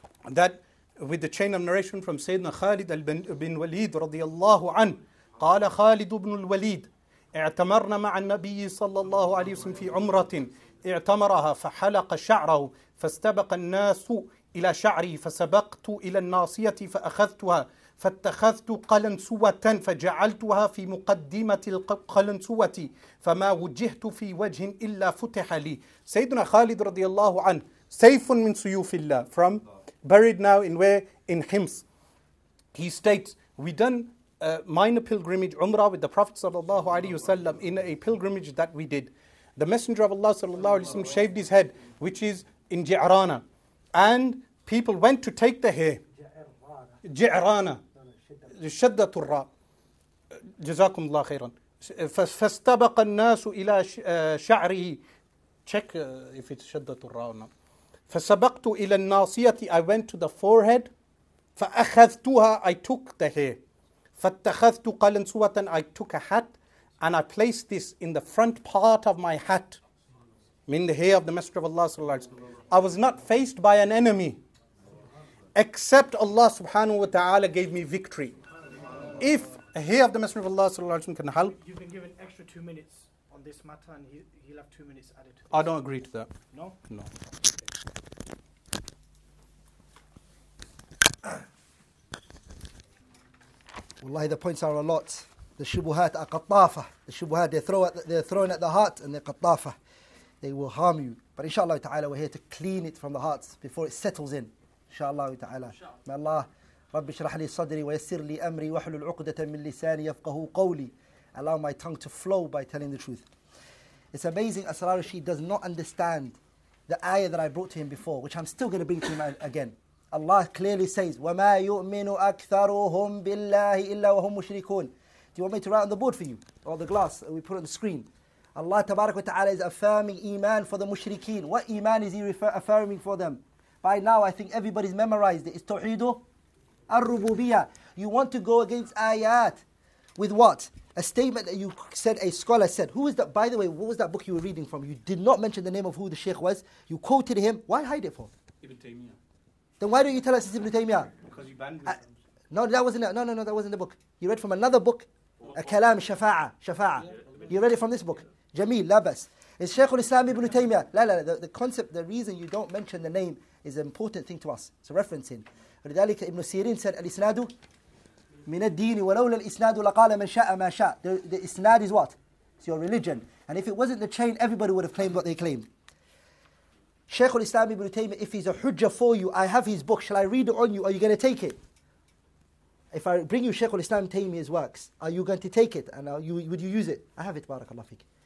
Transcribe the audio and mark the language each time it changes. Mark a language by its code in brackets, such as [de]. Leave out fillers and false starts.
[en] that with the chain of narration from [ar] Sayyidina Khalid ibn Walid radiyallahu an, qala Khalid ibn al-Walid, i'tamarna ma'a an-nabiy sallallahu alayhi wasallam fi umratin, i'tamaraha fa halaqa sha'rahu fastabaqa an-nasu ila sha'rihi fasabaqtu ila an-nasiyati fa akhadhtuha فاتخذت قلنسوة فجعلتها في مقدمة القلنسوة فما وجهت في وجه إلا فتح لي. سيدنا خالد رضي الله عنه, سيف من سيوف الله, [en] from buried now in where? In Hims. He states, we done a minor pilgrimage, Umrah, with the Prophet sallallahu alayhi wasallam in a pilgrimage that we did. The Messenger of Allah sallallahu alayhi wasallam shaved his head, which is in Ji'rana, and people went to take the hair. [ar] جعرانا شدة الراء جزاكم الله خيرا فاستبق الناس إلى شعره. [en] Check if it's [ar] شدة الراء [en] or not. [ar] فسبقت إلى الناصية, [en] I went to the forehead. [ar] فأخذتها, [en] I took the hair. [ar] فاتخذت قلنسوة, [en] I took a hat and I placed this in the front part of my hat, meaning the hair of the Messenger of Allah صلى الله عليه وسلم. I was not faced by an enemy except Allah subhanahu wa ta'ala gave me victory. If a hair of the Messenger of Allah sallallahu alayhi wa sallam can help. You've been given extra 2 minutes on this matter and he'll have 2 minutes added. I don't agree to that. No? No. Wallahi, the points are a lot. The shubuhat are qattafa. The shubuhat, they're thrown at the heart and they're qattafa. They will harm you. But inshallah ta'ala, we're here to clean it from the hearts before it settles in. [ar] إن شاء الله تعالى. ما الله رب اشرح لي صدري ويسر لي أمري وحل العقدة من لساني يفقه قولي. [en] Allow my tongue to flow by telling the truth. It's amazing. Asrar Rashid does not understand the ayah that I brought to him before, which I'm still going to bring to him again. Allah clearly says, [ar] وما يؤمن أكثرهم بالله إلا وهم مشركون. [en] Do you want me to write on the board for you or the glass? We put it on the screen. Allah تبارك وتعالى is affirming iman for the mushrikeen. What iman is he affirming for them? By now, I think everybody's memorized it. It's Tawhidu al-Rububiyyah. You want to go against ayat with what? A statement that you said, a scholar said. Who is that? By the way, what was that book you were reading from? You did not mention the name of who the sheikh was. You quoted him. Why hide it for? Ibn Taymiyyah. Then why don't you tell us it's Ibn Taymiyyah? Because you banned me from. No, that wasn't the book. You read from another book. Kalam Shafa'a. Shafa'a. You read it from this book. Jameel, Labas. It's Shaykh al-Islam Ibn Taymiyyah. La, the concept, the reason you don't mention the name is an important thing to us. It's a referencing. [ar] رذلك ابن سيرين [en] said [ar] الإسناد من الدين ولولا الإسناد لقال من شاء ما شاء. [en] The إسناد is what? It's your religion. And if it wasn't the chain, everybody would have claimed what they claimed. Shaykh al-Islam ibn Taymiyyah, if he's a hujjah for you, I have his book, shall I read it on you? Are you going to take it? If I bring you Shaykh al-Islam Taymiyyah's works, are you going to take it? And would you use it? I have it, barakallahu fik.